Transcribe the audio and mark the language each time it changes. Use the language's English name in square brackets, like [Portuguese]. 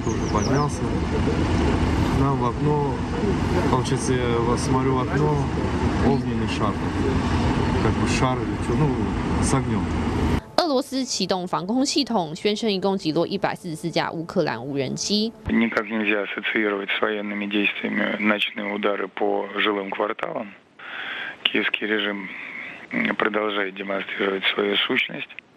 [Russian] Нам в окно, получается, я смотрю в окно, огненный шар, как бы шар или что, ну, с огнем. [Chinese] 俄罗斯启动防空系统，宣称一共击落144架乌克兰无人机。 [Russian] никак нельзя ассоциировать с военными действиями ночные удары по жилым кварталам. Киевский режим продолжает демонстрировать свою сущность.